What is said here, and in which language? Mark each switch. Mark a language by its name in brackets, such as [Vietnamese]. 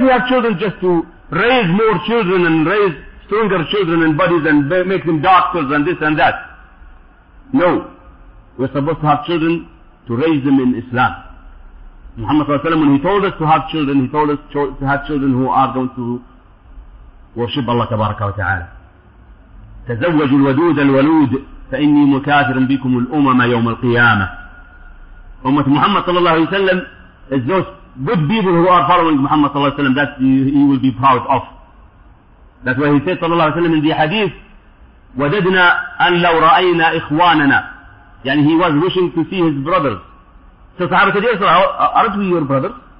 [English] We have children just to raise more children and raise stronger children and bodies and make them doctors and this and that. No. We're supposed to have children to raise them in Islam. Muhammad sallallahu alayhi wa sallam, when he told us to have children, he told us to have children who are going to worship Allah tabaraka wa ta'ala. [Arabic] تزوجوا الودود الولود فإني مكاثر بكم الأمم يوم القيامة. [English] Ummat Muhammad sallallahu alayhi wa sallam is those good people who are following Muhammad sallallahu alayhi wa sallam that he will be proud of. That's why he said sallallahu alayhi wa sallam in the hadith, [Arabic] وددنا أن لو رأينا إخواننا. [English] Yani he was wishing to see his brothers. So Sahaba said, yes, aren't we your brothers?